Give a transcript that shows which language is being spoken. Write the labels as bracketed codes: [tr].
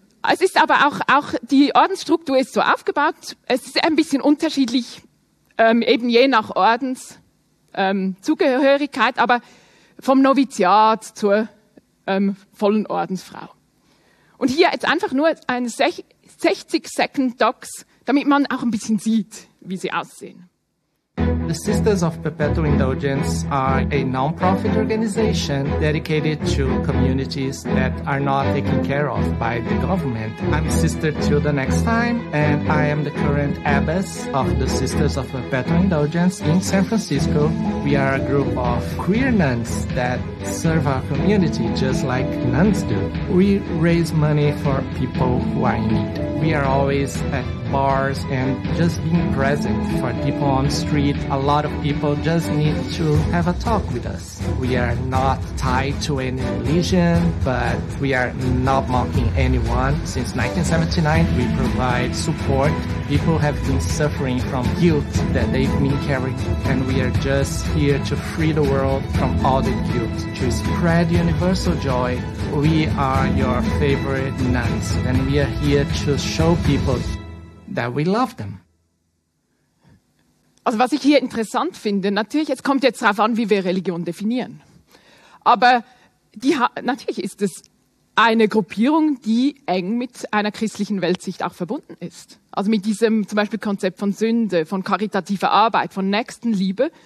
[de] Es ist aber auch die Ordensstruktur ist so aufgebaut. Es ist ein bisschen unterschiedlich, eben je nach Ordenszugehörigkeit, aber vom Noviziat zur vollen Ordensfrau. Und hier jetzt einfach nur ein 60-Second-Docs, damit man auch ein bisschen sieht, wie sie aussehen. [en] The Sisters of Perpetual Indulgence are a non-profit organization dedicated to communities that are not taken care of by the government. I'm Sister Till the Next Time, and I am the current abbess of the Sisters of Perpetual Indulgence in San Francisco. We are a group of queer nuns that serve our community just like nuns do. We raise money for people who are in need. We are always at bars and just being present for people on the street. A lot of people just need to have a talk with us. We are not tied to any religion, but we are not mocking anyone. Since 1979, we provide support. People have been suffering from guilt that they've been carrying, and we are just here to free the world from all the guilt, to spread universal joy. We are your favorite nuns, and we are here to show people that we love them. [de] Also was ich hier interessant finde, natürlich, es kommt jetzt darauf an, wie wir Religion definieren. Aber natürlich ist es eine Gruppierung, die eng mit einer christlichen Weltsicht auch verbunden ist. Also mit diesem zum Beispiel Konzept von Sünde, von karitativer Arbeit, von Nächstenliebe.